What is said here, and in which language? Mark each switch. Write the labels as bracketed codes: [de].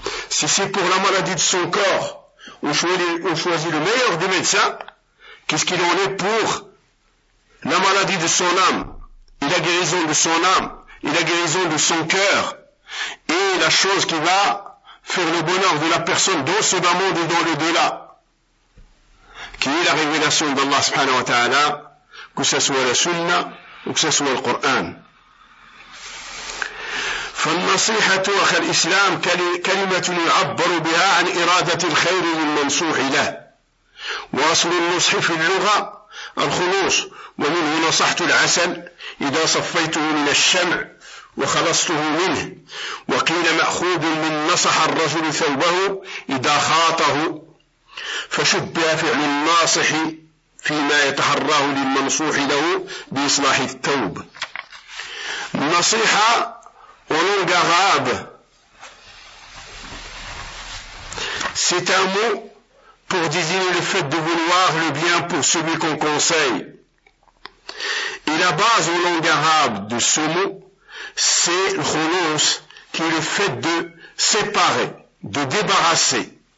[fr] Si c'est pour la maladie de son corps, on choisit le meilleur des médecins, qu'est-ce qu'il en est pour la maladie de son âme, et la guérison de son âme, et la guérison de son cœur, et la chose qui va faire le bonheur de la personne dans ce monde et dans le delà, qui est la révélation d'Allah subhanahu wa ta'ala, que ce soit la sunna, ou que ce soit le Coran. [ar] فالنصيحة أخي الإسلام كلمة يعبر بها عن إرادة الخير للمنصوح له. وأصل النصح في اللغة الخلوص. ومنه نصحت العسل إذا صفيته من الشمع وخلصته منه. وقيل مأخوذ من نصح الرجل ثوبه إذا خاطه، فشبه فعل الناصح فيما يتحراه للمنصوح له بإصلاح الثوب. نصيحة ولونغ غاب [fr] c'est un mot pour désigner le fait de vouloir le bien pour celui qu'on conseille. Et la base en langue arabe de ce mot, c'est le khulous, qui est le fait de séparer, de débarrasser.